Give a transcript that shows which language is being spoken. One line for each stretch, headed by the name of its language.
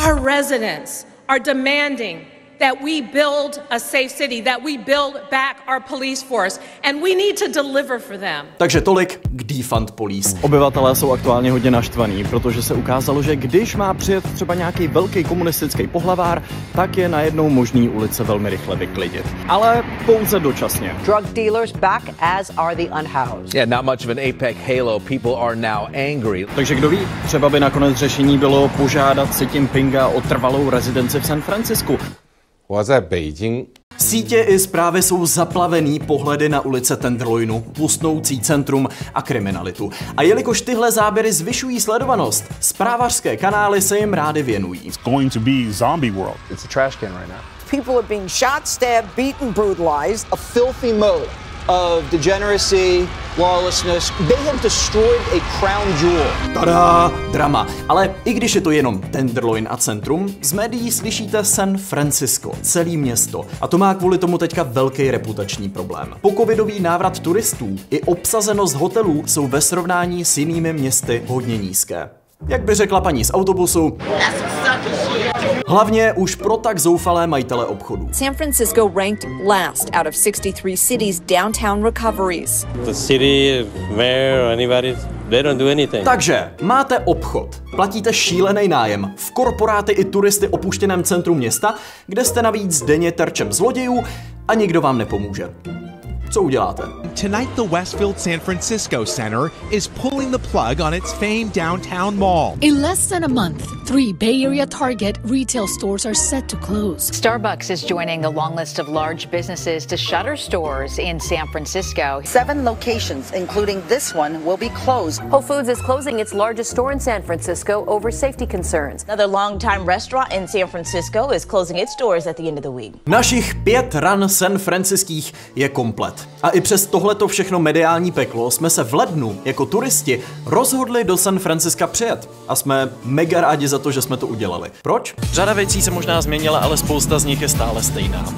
English: Our residents are demanding that we build a safe city, that we build back our police force, and we need to deliver for them.
Czech: Takže tolik k
English: defund police.
Czech: Obyvatelé jsou aktuálně hodně naštvaní, protože se ukázalo, že když má přijet třeba nějaký velký komunistický pohlavár, tak je najednou možný ulice velmi rychle vyklidit. Ale pouze dočasně.
English: Drug dealers back, as are the unhoused. Yeah, not much of an APEC halo. People are now angry.
Czech: Takže kdo ví, třeba by nakonec řešení bylo požádat Xi Jinpinga o trvalou rezidenci v San Francisco. Sítě i zprávy jsou zaplavený pohledy na ulice Tenderloinu, pustnoucí centrum a kriminalitu. A jelikož tyhle záběry zvyšují sledovanost, zprávařské kanály se jim rády věnují.
English: It's going to be zombie world. It's a trash can right now. People are being shot, stabbed, beaten, brutalized, a filthy mode of degeneracy, lawlessness. They have destroyed a crown jewel.
Czech: Tada, drama. Ale i když je to jenom Tenderloin a centrum, z médií slyšíte San Francisco, celé město. A to má kvůli tomu teďka velký reputační problém. Po covidový návrat turistů i obsazenost hotelů jsou ve srovnání s jinými městy hodně nízké. Jak by řekla paní z autobusu, hlavně už pro tak zoufalé majitele obchodu.
English: San Francisco ranked last out of 63 cities downtown recoveries. The city, mayor, anybody, they don't do anything.
Czech: Takže máte obchod, platíte šílený nájem v korporáty i turisty opuštěném centru města, kde jste navíc denně terčem zlodějů a nikdo vám nepomůže. Co uděláte?
English: Tonight the Westfield San Francisco Center is pulling the plug on its famed downtown mall. In less than a month, three Bay Area Target retail stores are set to close. Starbucks is joining a long list of large businesses to shutter stores in San Francisco. Seven locations, including this one, will be closed. Whole Foods is closing its largest store in San Francisco over safety concerns. Another longtime restaurant in San Francisco is closing its doors at the end of the week.
Czech: Našich pět ran San Franciských je komplet. A i přes tohleto všechno mediální peklo jsme se v lednu jako turisti rozhodli do San Francisca přijet. A jsme mega rádi za to, že jsme to udělali. Proč? Řada věcí se možná změnila, ale spousta z nich je stále stejná.